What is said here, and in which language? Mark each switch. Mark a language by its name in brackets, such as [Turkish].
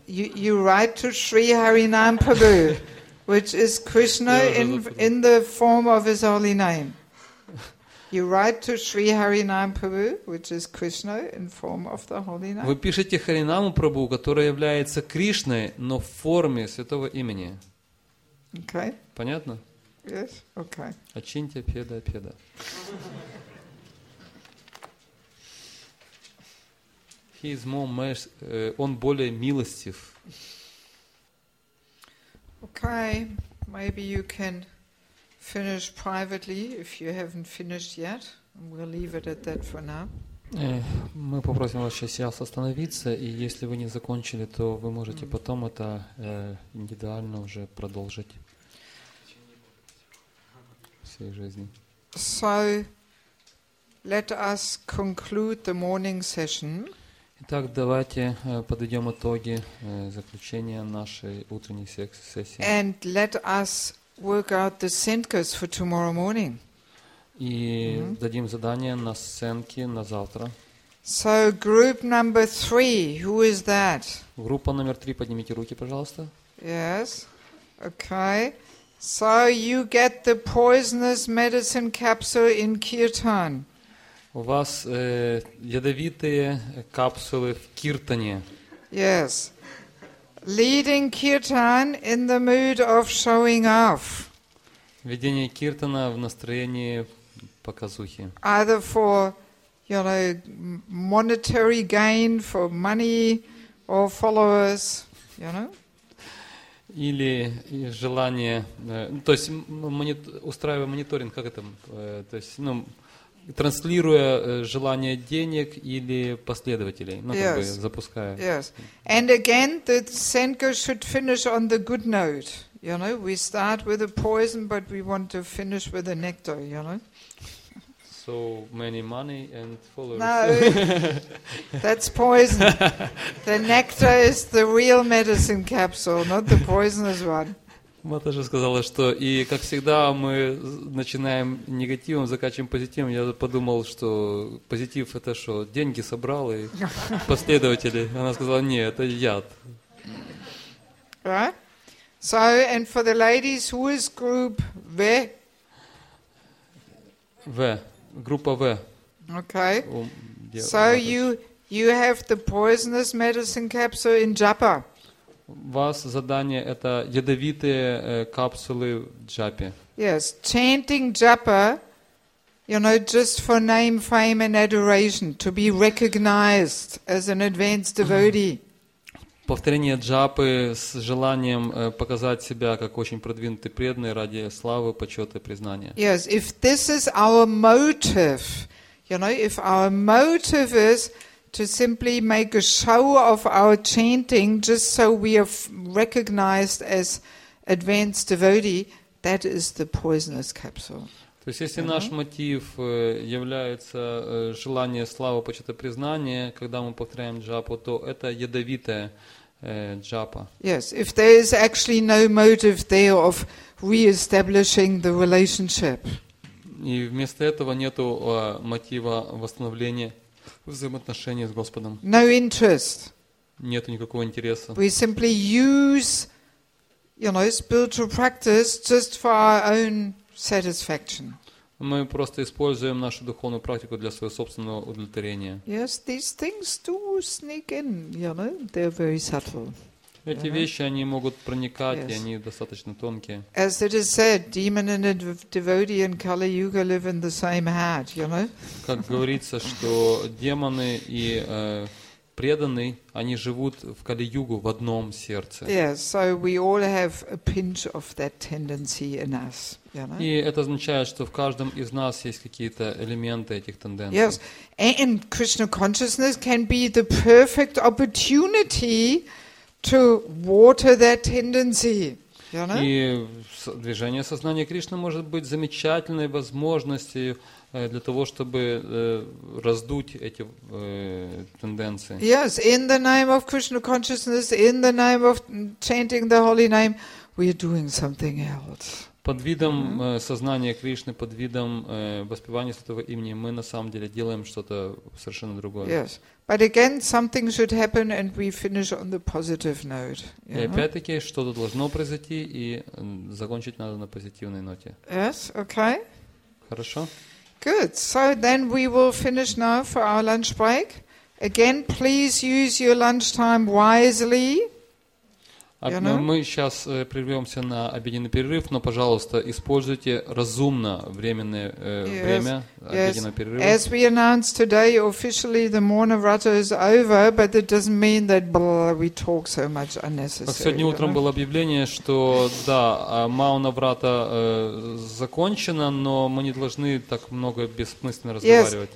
[English] You write to Sri Harinam Prabhu, which is Krishna in the form of His holy name. You write to Sri Harinam Prabhu, which is Krishna in form of the holy name. [Russian] Вы пишете Харинаму Прабху, которая является Кришной, но в форме Святого имени. [English] Okay. [Russian] Понятно? [English] Yes. Okay. Ачинтья Пьеда Пьеда. He is more merciful. [Russian] Он более милостив. [English] Okay, maybe you can finish privately if you haven't finished yet. We'll leave it at that for now. [Russian] Мы попросим вас сейчас остановиться, и если вы не закончили, то вы можете потом это индивидуально уже продолжить. своей жизни. [English] So, let us conclude the morning session. [Russian] Итак, давайте подведем итоги заключения нашей утренней сессии. [English] And let us work out the sentences for tomorrow morning. [Russian] И дадим задание на сценки на завтра. [English] So group number three, who is that? [Russian] Группа номер три, поднимите руки, пожалуйста. [English] Yes, okay. So you get the poisonous medicine capsule in Kirtan. [Russian] У вас ядовитые капсулы в Киртане. [English] Yes, leading Kirtan in the mood of showing off. [Russian] Ведение Киртана в настроении показухи. [English] Either for, you know, monetary gain, for money or followers, you know. [Russian] Или желание, то есть устраивая мониторинг, как это, то есть, ну, транслируя желание денег или последователей, ну, как бы запуская. [English] Yes. And again, the Senko should finish on the good note. You know, we start with a poison, but we want to finish with a nectar, you know. So many money and followers. No, that's poison. The nectar is the real medicine capsule, not the poisonous one. [Russian] Мата же сказала, что и, как всегда, мы начинаем негативом, заканчиваем позитивом. Я подумал, что позитив – это что, деньги собрал и последователи. Она сказала, нет, это яд. [English] Right? So, and for the ladies, who is group V? [Russian] V. Группа V. [English] Okay. So, you have the poisonous medicine capsule in Japa. [Russian] У вас задание – это ядовитые капсулы в джапе. [English] Yes, chanting japa, you know, just for name, fame and adoration, to be recognized as an advanced devotee. [Russian] Повторение джапы с желанием показать себя как очень продвинутый преданный ради славы, почета и признания. [English] Yes, if this is our motive, you know, if our motive is to simply make a show of our chanting just so we are recognized as advanced devotee, that is the poisonous capsule. [Russian] То есть, если наш мотив является желание славы, почета, признания, когда мы повторяем джапу, то это ядовитая джапа. [English] Yes, if there is actually no motive there of re-establishing the relationship. [Russian] И вместо этого нету мотива восстановления взаимоотношения с Господом. [English] No interest. [Russian] Нету никакого интереса. [English] We simply use, you know, spiritual practice just for our own satisfaction. [Russian] Мы просто используем нашу духовную практику для своего собственного удовлетворения. [English] Yes, these things do sneak in, you know, they're very subtle. [Russian] Эти вещи, они могут проникать, yes. И они достаточно тонкие. [English] As it is said, demon and a devotee in Kali Yuga live in the same heart, you know? [Russian] Как говорится, что демоны и преданные, они живут в Кали-Югу в одном сердце. [English] Yes, so we all have a pinch of that tendency in us, you know? [Russian] И это означает, что в каждом из нас есть какие-то элементы этих тенденций. [English] Yes, and Krishna consciousness can be the perfect opportunity to water that tendency. [Russian] И движение сознания Кришны может быть замечательной возможностью для того, чтобы раздуть эти тенденции. [English] Yes, in the name of Krishna consciousness, in the name of chanting the holy name, we are doing something else. [Russian] Под видом сознания Кришны, под видом воспевания Святого имени, мы на самом деле делаем что-то совершенно другое. [English] Yes. But again, something should happen and we finish on the positive note. [Russian] И опять-таки, что-то должно произойти и закончить надо на позитивной ноте. [English] Yes, okay. [Russian] Хорошо. [English] Good. So then we will finish now for our lunch break. Again, please use your lunch time wisely. [Russian] Мы сейчас прервемся на обеденный перерыв, но, пожалуйста, используйте разумно временное время обеденного перерыва. [English] As we announced today, officially the Mourner Vrata is over, but it doesn't mean that we talk so much unnecessarily. [Russian] Как сегодня утром было объявление, что да, Мауна Врата закончена, но мы не должны так много бессмысленно разговаривать.